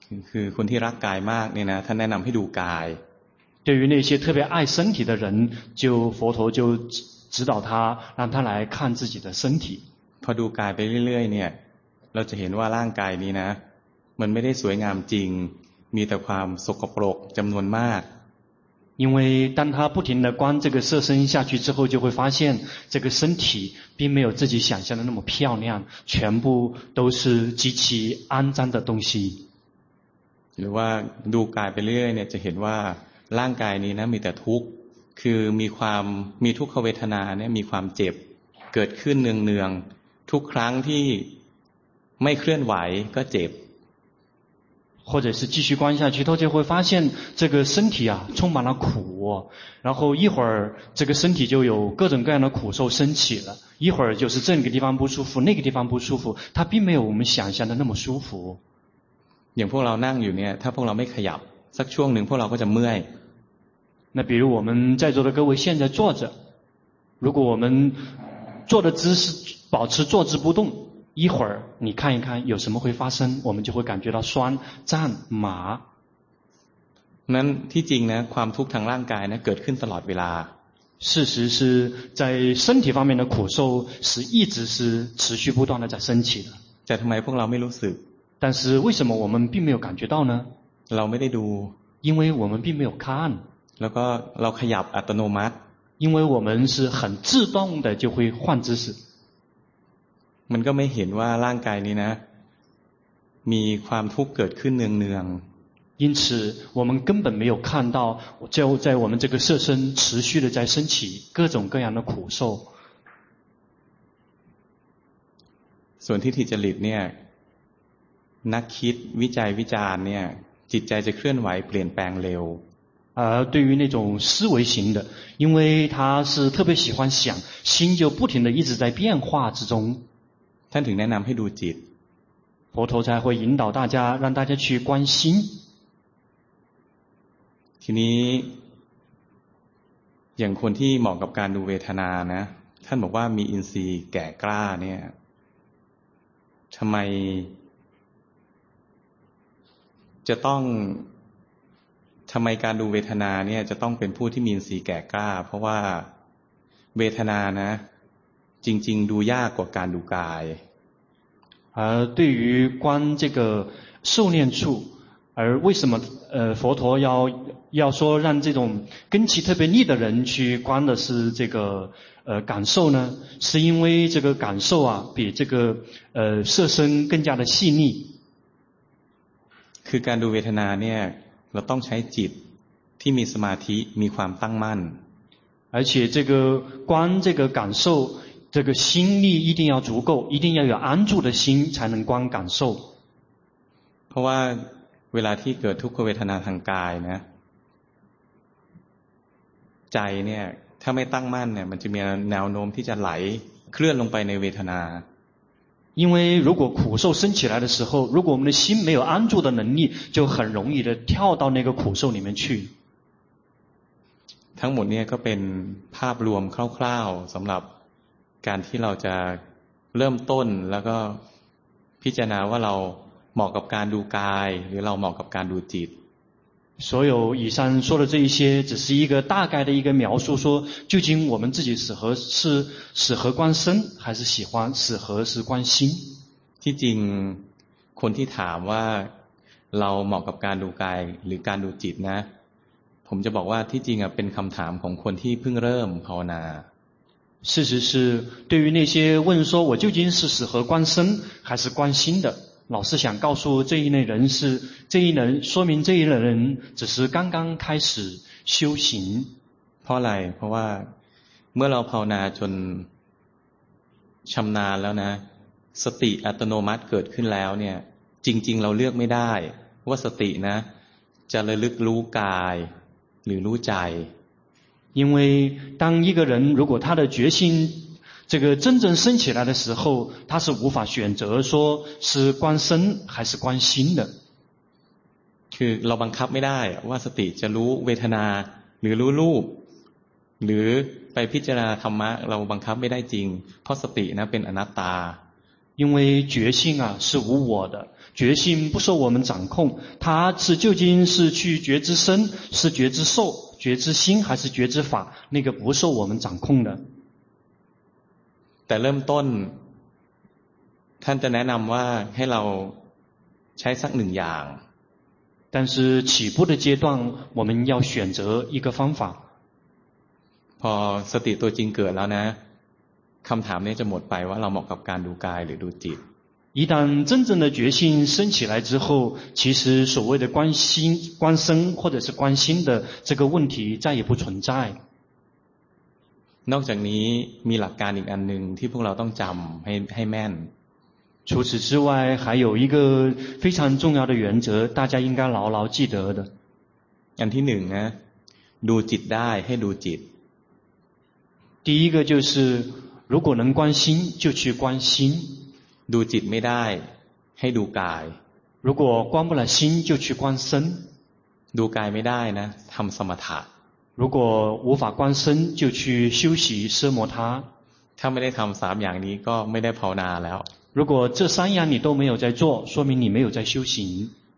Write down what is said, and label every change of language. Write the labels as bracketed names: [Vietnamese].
[Thai] คือคนที่รักกายมากเนี่ยนะท่านแนะนำให้ดูกาย [Chinese] 对于那些特别爱身体的人就佛陀就指导他让他来看自己的身体 [Thai] พอดูกายไปเรื่อยๆเนี่ยเราจะเห็นว่าร่างกายนี้นะมันไม่ได้สวยงามจริงมีแต่ความสกปรกจำนวนมาก [Chinese] 因为当他不停的观这个色身下去之后就会发现这个身体并没有自己想象的那么漂亮全部都是极其肮脏的东西 [Thai] หรือว่าดูกายไปเรื่อยๆเนี่ยจะเห็นว่าร่างกายนี้นะมีแต่ทุกข์คือมีทุกขเวทนาเนี่ยมีความเจ็บเกิดขึ้นเนืองๆทุกครั้งที่ไม่เคลื่อนไหวก็เจ็บ [Chinese] 或者是继续观下去他就会发现这个身体啊充满了苦然后一会儿这个身体就有各种各样的苦受升起了一会儿就是这个地方不舒服那个地方不舒服他并没有我们想象的那么舒服 [Thai] อย่างพวกเรานั่งอยู่เนี่ยถ้าพวกเราไม่ขยับสักช่วงหนึ่งพวกเราก็จะเมื่อย [Chinese] 那比如我们在座的各位现在坐着，如果我们坐的姿势保持坐姿不动，一会儿你看一看有什么会发生，我们就会感觉到酸、胀、麻。 [Thai] นั้นที่จริงนะความทุกข์ทางร่างกายนะเกิดขึ้นตลอดเวลา。 [Chinese] 事实是在身体方面的苦受是一直是持续不断的在升起的。 [Thai] แต่ทำไมพวกเราไม่รู้สึก？ [Chinese] 但是为什么我们并没有感觉到呢？ [Thai] เราไม่ได้ดู。 [Chinese] 因为我们并没有看。 [Thai] แล้วก็เราขยับอัตโนมัติ [Chinese] 因为我们是很自动的就会换姿势 [Thai] มันก็ไม่เห็นว่าร่างกายนี้นะมีความทุกข์เกิดขึ้นเนือง [Chinese] ๆ因此我们根本没有看到就在我们这个色身持续的在升起各种各样的苦受 [Thai] ส่วนทิฏฐิจริตเนี่ยนักคิดวิจัยวิจารณ์เนี่ยจิตใจจะเคลื่อนไหวเปลี่ยนแปลงเร็ว [Chinese] 对于那种思维型的，因为他是特别喜欢想，心就不停的一直在变化之中。 [Thai] ท่านถึงแนะนำให้ดูจิต， [Chinese] 佛陀才会引导大家，让大家去观心。 [Thai] ทีนี้อย่างคนที่เหมาะกับการดูเวทนานะท่านบอกว่ามีอินทรีย์แก่กล้าเนี่ยทำไมจะต้องทำไมการดูเวทนาเนี่ยจะต้องเป็นผู้ที่มีอินทรีย์แก่กล้าเพราะว่าเวทนานะจริงๆดูยากกว่าการดูกาย [Chinese] 对于观这个受念处而为什么佛陀要说让这种根器特别利的人去观的是这个感受呢是因为这个感受啊比这个色身更加的细腻 [Thai] คือการดูเวทนาเนี่ยเราต้องใช้จิตที่มีสมาธิมีความตั้งมั่น [Chinese] 而且这个观这个感受这个心力一定要足够一定要有安住的心才能观感受 [Thai] เพราะว่าเวลาที่เกิดทุกขเวทนาทางกายนะใจเนี่ยถ้าไม่ตั้งมั่นเนี่ยมันจะมีแนวโน้มที่จะไหลเคลื่อนลงไปในเวทนา [Chinese] 因为如果苦受升起来的时候如果我们的心没有安住的能力就很容易的跳到那个苦受里面去 [Thai] ทั้งหมดเนี่ยก็เป็นภาพรวมคร่าวๆสำหรับการที่เราจะเริ่มต้นแล้วก็พิจารณาว่าเราเหมาะกับการดูกายหรือเราเหมาะกับการดูจิต [Chinese] 所有以上说的这一些只是一个大概的一个描述说究竟我们自己适合观身还是适合观心 [Thai] ที่จริงคนที่ถามว่าเราเหมาะกับการดูกายหรือการดูจิตนะผมจะบอกว่าที่จริงเป็นคำถามของคนที่เพิ่งเริ่มภาวนา [Chinese] 事实是对于那些问说我究竟是适合观身还是观心的老师想告诉这一类人是这一人说明这一类人只是刚刚开始修行 [Thai] เพราะอะไรเพราะว่าเมื่อเราภาวนาจนชำนาญแล้วนะสติอัตโนมัติเกิดขึ้นแล้วเนี่ยจริงๆเราเลือกไม่ได้ว่าสตินะจะระลึกรู้กายหรือรู้ใจ [Chinese] 因为当一个人如果他的决心这个真正升起来的时候他是无法选择说是观身还是观心的 [Thai] คือเราบังคับไม่ได้ว่าสติจะรู้เวทนาหรือรู้รูปหรือไปพิจารณาธรรมะเราบังคับไม่ได้จริงเพราะสตินะเป็นอนัตตา [Chinese] 因为决心啊是无我的决心不受我们掌控它是究竟是去觉知身是觉知受觉知心还是觉知法那个不受我们掌控的 [Thai] แต่เริ่มต้นท่านจะแนะนำว่าให้เราใช้สักหนึ่งอย่าง [Chinese] 但是起步的阶段我们要选择一个方法 [Thai] พอสติตัวจริงเกิดแล้วนะคำถามนี้จะหมดไปว่าเราเหมาะกับการดูกายหรือดูจิต [Chinese] 一旦真正的决心升起来之后其实所谓的观心观身或者是观心的这个问题再也不存在 [Thai] นอกจากนี้มีหลักการอีกอันหนึ่งที่พวกเราต้องจำให้แม่น [Chinese] 除此之外还有一个非常重要的原则大家应该牢牢记得的 [Thai] อันที่หนึ่งนะดูจิตได้ให้ดูจิต [Chinese] 第一个就是如果能观心就去观心 [Thai] ดูจิตไม่ได้ให้ดูกาย [Chinese] 如果观不了心就去观身 [Thai] ดูกายไม่ได้นะทำสมถะ [Chinese] 如果无法观身就去休息奢摩他 [Thai] ถ้าไม่ได้ทำสามอย่างนี้ก็ไม่ได้ภาวนาแล้ว [Chinese] 如果这三样你都没有在做说明你没有在修行